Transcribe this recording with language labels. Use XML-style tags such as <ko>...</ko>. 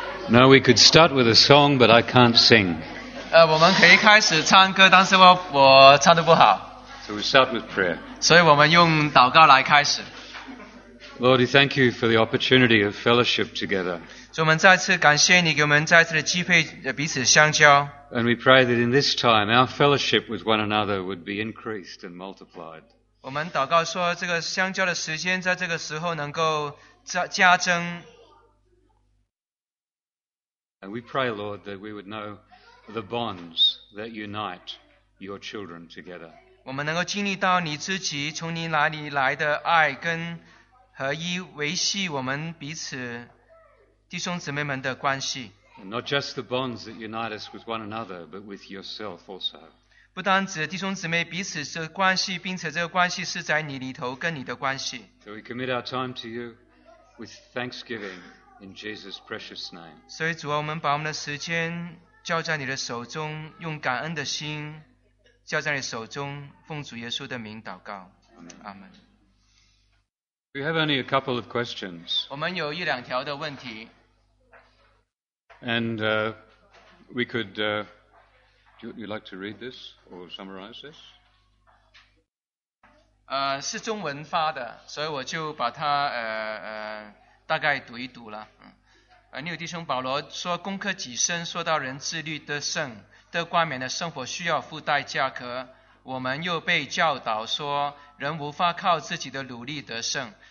<en>No, we could start with a song, but I can't sing.</en> <zh>我们可以开始唱歌，但是我唱得不好。</zh> <en>So we start with prayer.</en> <zh>所以我们用祷告来开始。</zh> <en>Lord, we thank you for the opportunity of fellowship together.</en> <zh>主，我们再次感谢你给我们再次的机会彼此相交。</zh> <en>And we pray that in this time our fellowship with one another would be increased and multiplied.</en> <zh>我们祷告说，这个相交的时间在这个时候能够加增。</zh> <en>And we pray, Lord, that we would know the bonds that unite your children together.</en> <zh>我们能够经历到你自己从你哪里来的爱跟合一，维系我们彼此弟兄姊妹们的关系。</zh> <en>And not just the bonds that unite us with one another, but with yourself also.</en> <zh>不单指弟兄姊妹彼此的关系，并且这个关系是在你里头跟你的关系。</zh> <en>So we commit our time to you with thanksgiving in Jesus' precious name.</en> <zh>所以主啊，我们把我们的时间交在你的手中，用感恩的心交在你手中，奉主耶稣的名祷告。阿门。</zh> <en>We have only a couple of questions.</en> <zh>我们有一两条的问题。</zh> <en>And we could, do you like to read this or summarize this?</en> <zh>是中文发的，所以我就把它大概读一读了。你有弟兄保罗说，攻克己身，说到人自律得胜，得冠冕的生活需要付代价，可我们又被教导说，人无法靠自己的努力得胜。</zh>